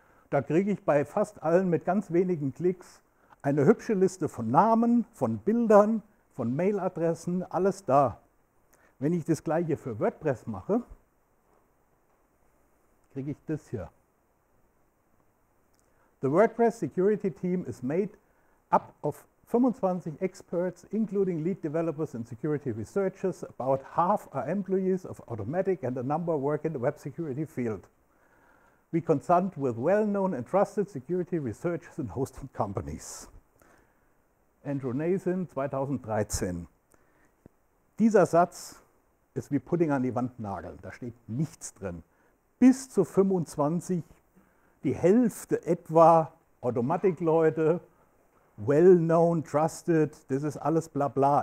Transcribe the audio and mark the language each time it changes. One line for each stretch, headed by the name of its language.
German: Da kriege ich bei fast allen mit ganz wenigen Klicks eine hübsche Liste von Namen, von Bildern, von Mailadressen, alles da. Wenn ich das Gleiche für WordPress mache, kriege ich das hier.
English: The WordPress Security Team is made up of 25 experts, including lead developers and security researchers. About half are employees of Automattic and a number work in the web security field. We consult with well-known and trusted security researchers and hosting companies. Andrew Nathan, 2013.
German: Dieser Satz ist wie Pudding an die Wand nageln. Da steht nichts drin. Bis zu 25, die Hälfte etwa, Automatic-Leute,
English: well-known, trusted,
German: das ist alles bla bla.